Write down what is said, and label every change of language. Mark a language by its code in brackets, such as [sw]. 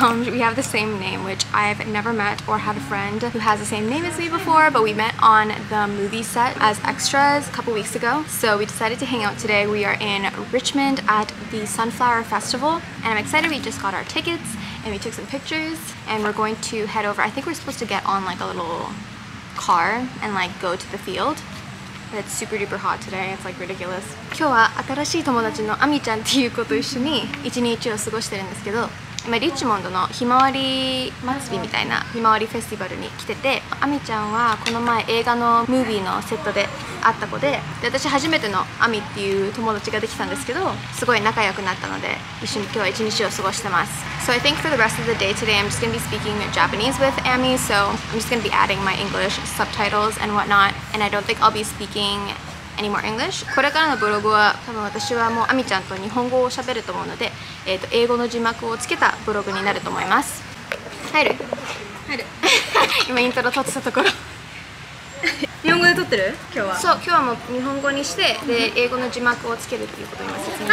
[en] We have the same name, which I've never met or had a friend who has the same name as me before, but we met on the movie set as extras a couple weeks ago. So we decided to hang out today. We are in Richmond at the Sunflower Festival, and I'm excited. We just got our tickets and we took some pictures, and we're going to head over. I think we're supposed to get on like a little car and like go to the field. It's super duper hot today. It's like ridiculous. [ja] 今日は新しい友達のアミちゃんっていう子と一緒に一日を過ごしてるんですけど、今リッチモンドのひまわり祭りみたいなひまわりフェスティバルに来てて、アミちゃんはこの前映画のムービーのセットで会った子で、で私初めてのアミっていう友達ができたんですけど、すごい仲良くなったので一緒に今日は一日を過ごしてます。 [en] So I think for the rest of the day today, I'm just gonna be speaking Japanese with Amy. So I'm just gonna be adding my English subtitles and whatnot. And I don't think I'll be speaking any more English. [ja] これからのブログは多分私はもうアミちゃんと日本語を喋ると思うので、英語の字幕をつけたブログになると思います。入る。入る。今イントロ撮ってたところ。日本語で撮ってる？今日は。そう、今日はもう日本語にして、で英語の字幕をつけるっていうことを今説明します。